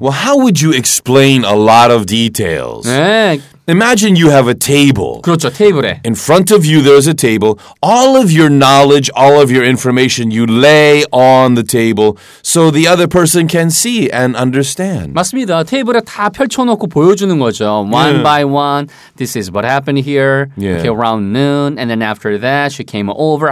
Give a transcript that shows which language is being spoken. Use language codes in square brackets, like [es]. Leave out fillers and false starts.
[en] Well, how would you explain a lot of details? [ko] 네. [en] Imagine you have a table. [ko] 그렇죠, 테이블에. [en] In front of you, there's a table. All of your knowledge, all of your information, you lay on the table so the other person can see and understand. [ko] 맞습니다. 테이블에 다 펼쳐놓고 보여주는 거죠. [en] One by one, this is what happened here. Yeah. Okay, around noon, and then after that, she came over.